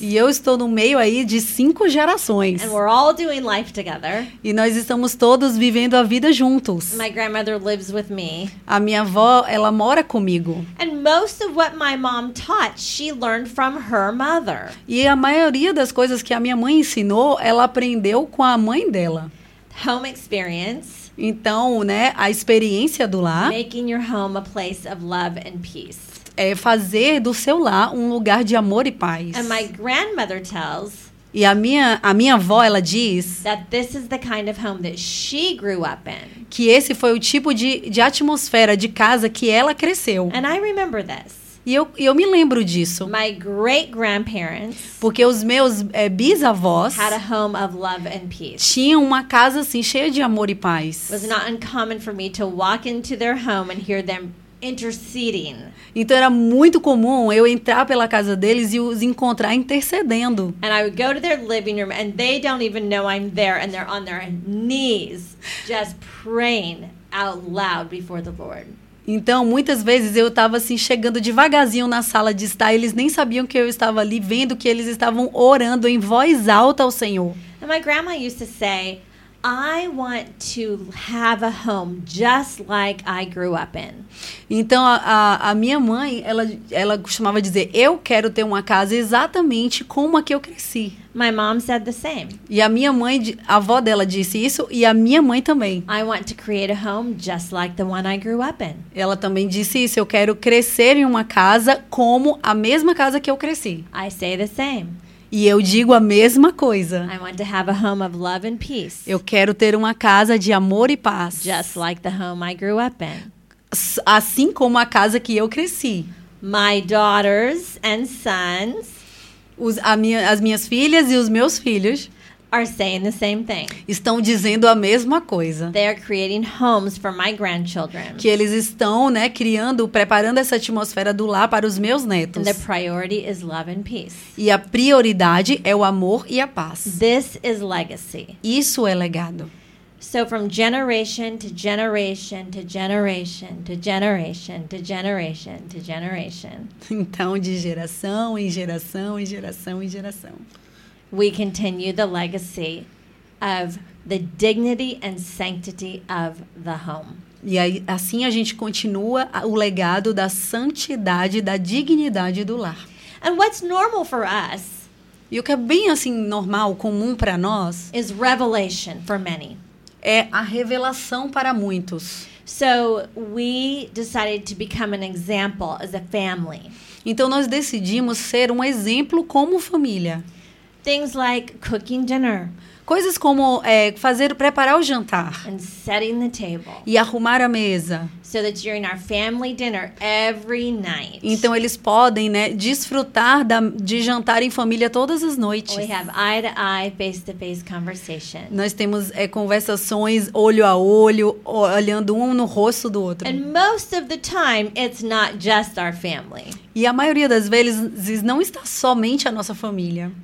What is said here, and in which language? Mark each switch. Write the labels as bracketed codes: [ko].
[pt] E eu estou no meio aí de 5 gerações. [en] And we're all doing life together. [pt] E nós estamos todos vivendo a vida juntos. [en] My grandmother lives with me. [pt] A minha avó, ela mora comigo. [en] And most of what my mom taught, she learned from her mother. [pt] E a maioria das coisas que a minha mãe ensinou, ela aprendeu com a mãe dela. [en] Home experience. [pt] Então, né, a experiência do lar. [en] Making your home a place of love and peace. [pt] É fazer do seu lar um lugar de amor e paz. [en] And my grandmother tells, [pt] e a minha avó, ela diz, [en] that this is the kind of home that she grew up in. [pt] Que esse foi o tipo de atmosfera de casa que ela cresceu. [en] And I remember this. [pt] E eu me lembro disso. [en] My great-grandparents, [pt] porque os meus bisavós, [en] had a home of love and peace. [pt] Tinham uma casa assim cheia de amor e paz. [en] Was not uncommon for me to walk into their home and hear them interceding. [pt] Então era muito comum eu entrar pela casa deles e os encontrar intercedendo. [en] And I would go to their living room and they don't even know I'm there and they're on their knees just praying out loud before the Lord. [pt] Então muitas vezes eu estava assim chegando devagarzinho na sala de estar e eles nem sabiam que eu estava ali, vendo que eles estavam orando em voz alta ao Senhor. [en] And my grandma used to say, I want to have a home just like I grew up in. [pt] Então a minha mãe, ela costumava dizer, eu quero ter uma casa exatamente como a que eu cresci. [en] My mom said the same. [pt] E a minha mãe, a avó dela disse isso, e a minha mãe também. [en] I want to create a home just like the one I grew up in. [pt] Ela também disse isso, eu quero crescer em uma casa como a mesma casa que eu cresci. [en] I say the same. [pt] E eu digo a mesma coisa. [en] I want to have a home of love and peace. [pt] Eu quero ter uma casa de amor e paz. [en] Just like the home I grew up in. [pt] Assim como a casa que eu cresci. [en] My daughters and sons. [pt] As minhas filhas e os meus filhos. [en] Are saying the same thing. [pt] Estão dizendo a mesma coisa. [en] They are creating homes for my grandchildren. [pt] Que eles estão, né, criando, preparando essa atmosfera do lar para os meus netos. [en] And the priority is love and peace. [pt] E a prioridade é o amor e a paz. [en] This is legacy. [pt] Isso é legado. [en] So from generation to generation to generation to generation to generation to generation. [pt] Então de geração em geração em geração em geração. [en] We continue the legacy of the dignity and sanctity of the home. [pt] E aí, assim a gente continua o legado da santidade, da dignidade do lar. [en] And what's normal for us? [pt] E o que é bem assim normal, comum para nós? [en] Is revelation for many. [pt] É a revelação para muitos. [en] So we decided to become an example as a family. [pt] Então nós decidimos ser um exemplo como família. [en] Things like cooking dinner. [pt] Coisas como preparar o jantar. [en] And setting the table. [pt] E arrumar a mesa. [en] So that during our family dinner every night. [pt] Então eles podem, né, desfrutar de jantar em família todas as noites. [en] We have eye-to-eye, face-to-face conversation. [pt] Nós temos conversações olho a olho, olhando um no rosto do outro. [en] And most of the time, it's not just our family. [pt] E a maioria das vezes não está somente a nossa família.